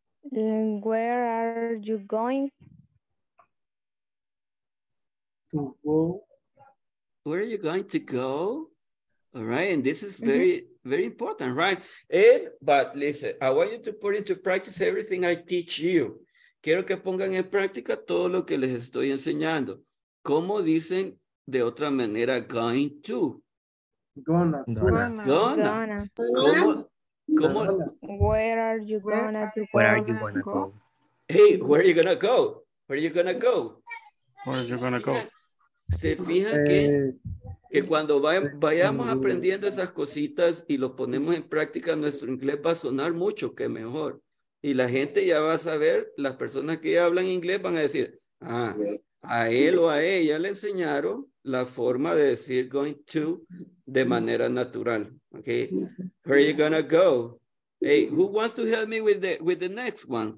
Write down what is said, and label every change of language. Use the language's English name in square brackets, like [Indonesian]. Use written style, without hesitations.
[English] Where are you going? Where are you going to go? All right, and this is very, very important, right? And, but listen, I want you to put into practice everything I teach you. [Spanish] Quiero que pongan en práctica todo lo que les estoy enseñando. ¿Cómo dicen de otra manera going to? [English] Gonna. [Spanish] ¿Cómo? [English] Where are you gonna go? [Spanish] Se fija que cuando vayamos aprendiendo esas cositas y lo ponemos en práctica, nuestro inglés va a sonar mucho que mejor. Y la gente ya va a saber, las personas que hablan inglés van a decir, a él o a ella le enseñaron la forma de decir going to de manera natural. [English] Okay. Where are you gonna go? Hey, who wants to help me with the next one?